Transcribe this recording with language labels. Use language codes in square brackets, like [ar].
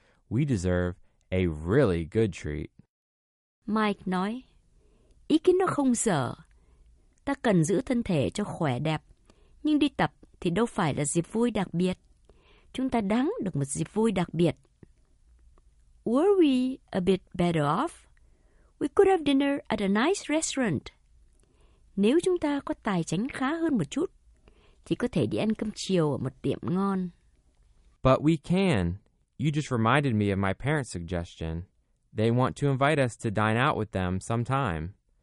[en] We deserve a really good treat. [vi] Mike nói, ý kiến nó không dở. Ta cần giữ thân thể cho khỏe đẹp, nhưng đi tập thì đâu phải là dịp vui đặc biệt. Chúng ta đáng được một dịp vui đặc biệt. [en] Were we a bit better off? We could have dinner at a nice restaurant. [vi] Nếu chúng ta có tài chính khá hơn một chút, thì có thể đi ăn cơm chiều ở một tiệm ngon. [en] But we can. You just reminded me of my parents' suggestion. They want to invite us to dine out with them sometime.